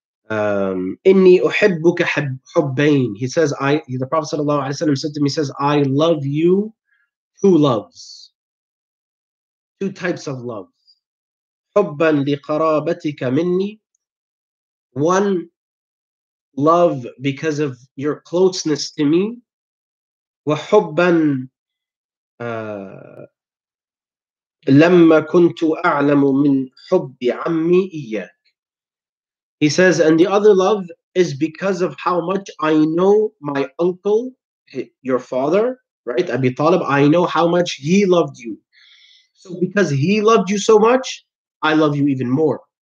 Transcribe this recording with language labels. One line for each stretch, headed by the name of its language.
Arabic: Inni uhibbuka hubbayn.
English: He says, the Prophet sallallahu alaihi wasallam said to me, he says, I love you two loves, two types of love.
Arabic: Hubban liqarabatika minni.
English: One love because of your closeness to me.
Arabic: Wa hubban لَمَّا كُنْتُ أَعْلَمُ مِنْ حُبِّ عَمِّي إِيَّكَ.
English: He says, and the other love is because of how much I know my uncle, your father, right, Abi Talib, I know how much he loved you. So because he loved you so much, I love you even more.